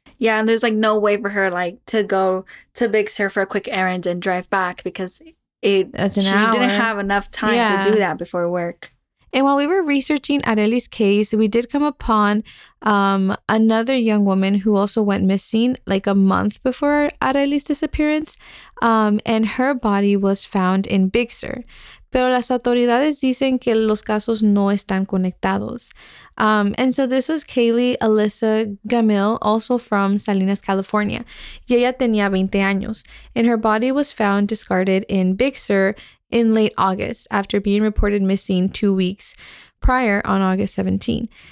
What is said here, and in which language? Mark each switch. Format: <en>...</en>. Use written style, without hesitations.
<en>Yeah, and there's, like, no way for her, like, to go to Big Sur for a quick errand and drive back because it didn't have enough time to do that before work. And while we were researching Arely's case, we did come upon another young woman who also went missing like a month before Arely's disappearance. And her body was found in Big Sur.</en> <es>Pero las autoridades dicen que los casos no están conectados.</es> <en>And so this was Kaylee Alyssa Gamil, also from Salinas, California.</en> <es>Y ella tenía 20 años.</es> <en>And her body was found discarded in Big Sur in late August after being reported missing 2 weeks prior on August 17.</en>